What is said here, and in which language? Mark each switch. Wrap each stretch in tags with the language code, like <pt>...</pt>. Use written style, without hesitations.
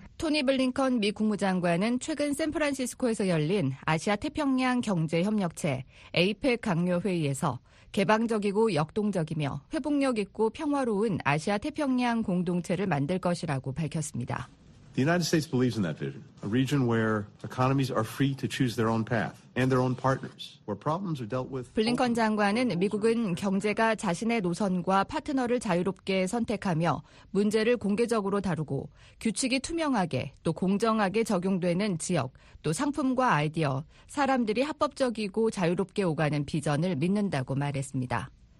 <ko>토니 블링컨 미 국무장관은 최근 샌프란시스코에서 열린 아시아 태평양 경제 협력체 APEC 강요 회의에서 개방적이고 역동적이며 회복력 있고 평화로운 아시아 태평양 공동체를 만들 것이라고 밝혔습니다.</ko> <en>The United States believes in that vision. A region where economies are free to choose their own path and their own partners. Where problems are dealt with.</en> <ko>블링컨 장관은 미국은 경제가 자신의 노선과 파트너를 자유롭게 선택하며 문제를 공개적으로 다루고 규칙이 투명하게 또 공정하게 적용되는 지역 또 상품과 아이디어, 사람들이 합법적이고 자유롭게 오가는 비전을 믿는다고 말했습니다.</ko>